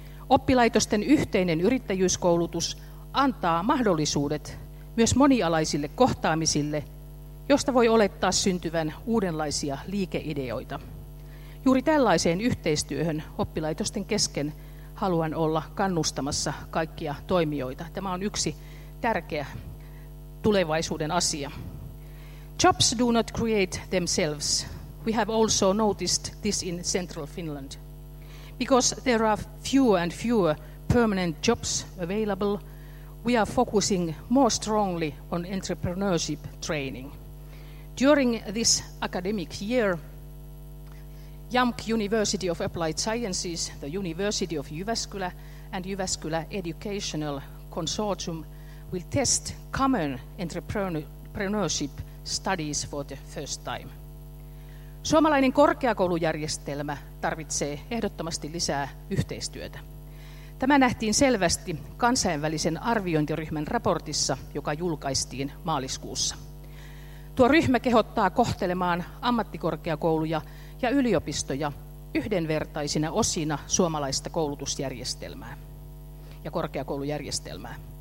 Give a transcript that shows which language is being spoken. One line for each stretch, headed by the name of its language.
Finnish: Oppilaitosten yhteinen yrittäjyyskoulutus antaa mahdollisuudet myös monialaisille kohtaamisille, josta voi olettaa syntyvän uudenlaisia liikeideoita. Juuri tällaiseen yhteistyöhön oppilaitosten kesken haluan olla kannustamassa kaikkia toimijoita. Tämä on yksi tärkeä tulevaisuuden asia.
English: Jobs do not create themselves. We have also noticed this in Central Finland. Because there are fewer and fewer permanent jobs available, we are focusing more strongly on entrepreneurship training. During this academic year, YAMK University of Applied Sciences, the University of Jyväskylä, and Jyväskylä Educational Consortium will test common entrepreneurship studies for the first time.
Finnish: Suomalainen korkeakoulujärjestelmä tarvitsee ehdottomasti lisää yhteistyötä. Tämä nähtiin selvästi kansainvälisen arviointiryhmän raportissa, joka julkaistiin maaliskuussa. Tuo ryhmä kehottaa kohtelemaan ammattikorkeakouluja ja yliopistoja yhdenvertaisina osina suomalaista koulutusjärjestelmää ja korkeakoulujärjestelmää.